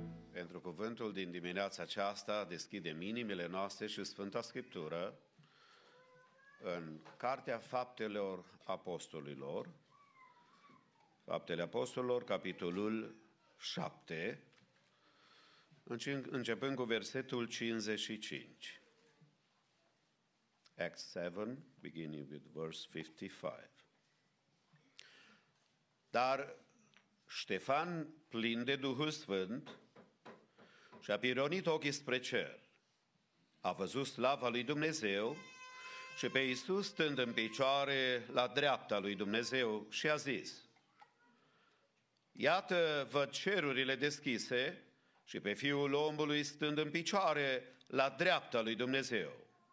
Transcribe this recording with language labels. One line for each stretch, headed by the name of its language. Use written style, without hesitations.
Romanian: Pentru cuvântul din dimineața aceasta, deschidem inimile noastre și Sfânta Scriptură în Cartea Faptelor Apostolilor, Faptele Apostolilor, capitolul 7, începând cu versetul 55.
English: Acts 7, beginning with verse 55.
Romanian: Dar Ștefan, plin de Duhul Sfânt, și-a pironit ochii spre cer, a văzut slava lui Dumnezeu și pe Iisus stând în picioare la dreapta lui Dumnezeu și a zis: Iată, văd cerurile deschise și pe Fiul omului stând în picioare la dreapta lui Dumnezeu.